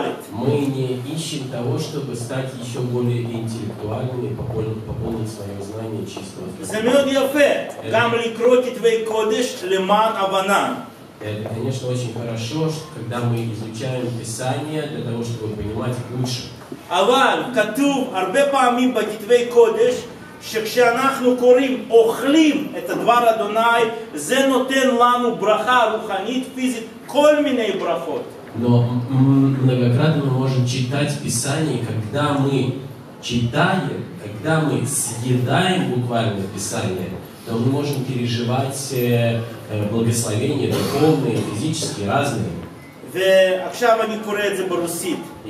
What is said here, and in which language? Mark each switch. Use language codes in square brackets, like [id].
[ru] Мы не ищем того, чтобы стать еще более интеллектуальными, пополнить свое знание чистого. Это, конечно, очень хорошо, когда мы изучаем Писание для того, чтобы понимать лучше. [he] Авал, כתוב הרבה פעמים בכתבי קודש, שכשאנחנו קוראים, אוכלים את הדבר אדוני, זה נותן לנו ברכה רוחנית, פיזית, כל מיני ברכות. [ru] Но многократно мы можем читать Писание, когда мы читаем, когда мы съедаем буквально Писание, то мы можем переживать благословения духовные, физические, разные. [he] ועכשיו אני קורא את זה ברוסית.